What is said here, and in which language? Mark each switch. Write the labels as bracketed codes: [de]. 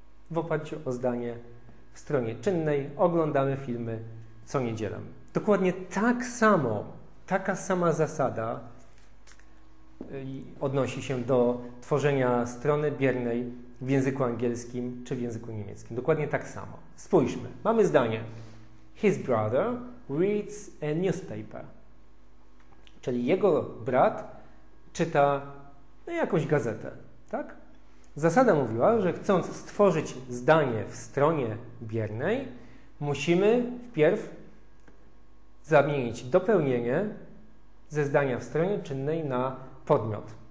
[pl] W oparciu o zdanie w stronie czynnej oglądamy filmy co niedzielę. Dokładnie tak samo, taka sama zasada odnosi się do tworzenia strony biernej w języku angielskim czy w języku niemieckim. Dokładnie tak samo. Spójrzmy. Mamy zdanie. [en] His brother reads a newspaper. [pl] Czyli jego brat czyta jakąś gazetę, tak? Zasada mówiła, że chcąc stworzyć zdanie w stronie biernej, musimy wpierw zamienić dopełnienie ze zdania w stronie czynnej na podmiot.